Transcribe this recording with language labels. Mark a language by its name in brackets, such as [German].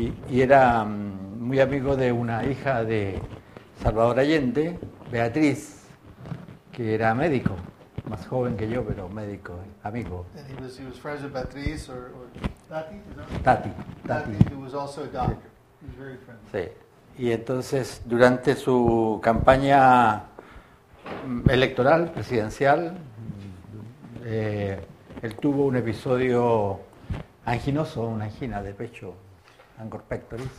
[Spanish] Y era muy amigo de una hija de Salvador Allende, Beatriz, que era médico, más joven que yo, pero médico, amigo. [English] And he was friends with Beatriz or Tati, is that right? Tati, who was also a doctor. Sí. He was very friendly. [Spanish] Sí. Y entonces, durante su campaña electoral, presidencial, él tuvo un episodio anginoso, una angina de pecho, angor pectoris.